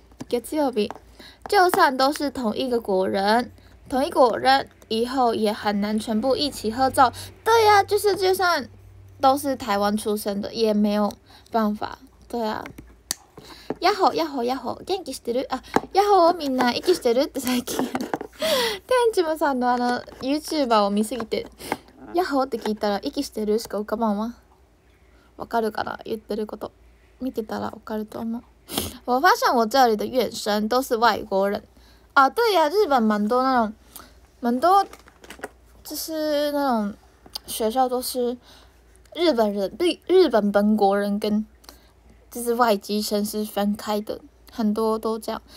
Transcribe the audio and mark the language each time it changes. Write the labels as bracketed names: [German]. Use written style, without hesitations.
[Japanese] 月曜日， [Chinese] 就算都是同一个国人，同一国人以后也很难全部一起合照。对呀、啊，就算都是台湾出生的，也没有办法。对啊。 [Japanese] ヤホヤホヤホ、元気してる？あ、ヤホみんな息してるって最近。天智もさんのあの YouTuber を見すぎて、ヤホって聞いたら息してるしか浮かばんわ。わかるかな？言ってること。見てたらわかると思う。 [Chinese] 我发现我这里的远生都是外国人啊，对呀、啊，日本蛮多那种，蛮多，就是那种学校都是日本人，日本本国人跟就是外籍生是分开的，很多都这样。